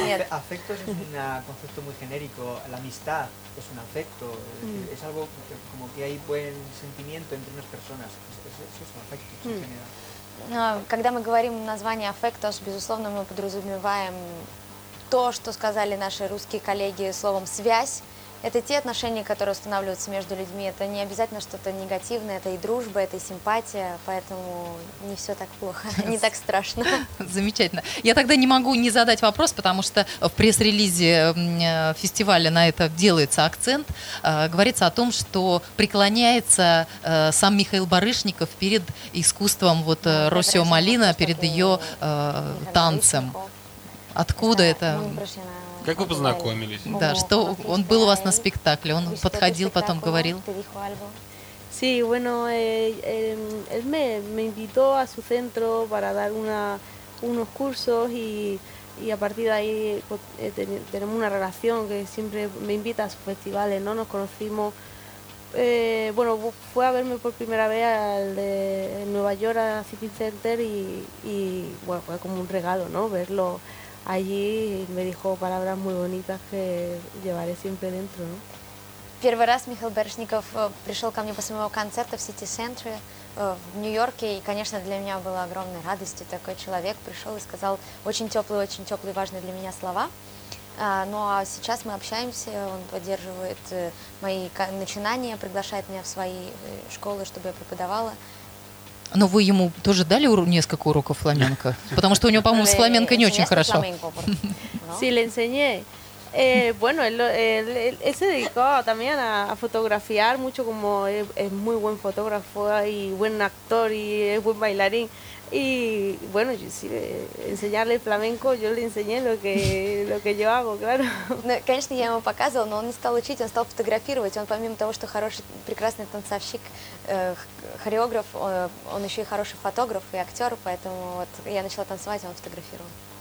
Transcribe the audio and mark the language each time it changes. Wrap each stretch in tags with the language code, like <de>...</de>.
<es>Afectos es un concepto muy genérico, la amistad es un afecto, es algo como que hay buen sentimiento entre unas personas, eso es un afecto en general.</es> <ru>Когда мы говорим название «аффектус», безусловно, мы подразумеваем то, что сказали наши русские коллеги словом «связь». Это те отношения, которые устанавливаются между людьми. Это не обязательно что-то негативное, это и дружба, это и симпатия, поэтому не все так плохо, не так страшно. Замечательно. Я тогда не могу не задать вопрос, потому что в пресс-релизе фестиваля на это делается акцент. Говорится о том, что преклоняется сам Михаил Барышников перед искусством вот Росио Малина, перед ее танцем. Откуда это? Как вы познакомились? Да, что он был у вас на спектакле, он подходил, потом говорил.</ru> <es>Sí, bueno, él me invitó a su centro para dar unos cursos y a partir de ahí tenemos una relación que siempre me invita a sus festivales, ¿no? Nos conocimos, bueno, fue a verme por primera vez en Nueva York, al City Center y bueno, fue como un regalo, ¿no? Verlo. Allí me dijo palabras muy bonitas que llevaré siempre dentro, ¿no?</es> <ru>Первый раз Михаил Барышников пришел ко мне после моего концерта в City Center в Нью-Йорке, и, конечно, для меня было огромной радостью. Такой человек пришел и сказал очень теплые, важные для меня слова. Ну а сейчас мы общаемся, он поддерживает мои начинания, приглашает меня в свои школы, чтобы я преподавала. Но вы ему тоже дали несколько уроков фламенко? Потому что у него, по-моему, с фламенко не очень хорошо.</ru> <es>Sí, le enseñé. Bueno, él se dedicó también a fotografiar mucho, como es muy buen fotógrafo y buen actor y es buen bailarín. Y bueno, sí, enseñarle flamenco, yo le enseñé lo que yo hago, claro.</es> <ru>Ну, конечно, я ему показывала, но он не стал учить, он стал фотографировать. Он помимо того, что хороший, прекрасный танцовщик, хореограф, он еще и хороший фотограф и актер, поэтому вот я начала танцевать, он фотографировал.</ru>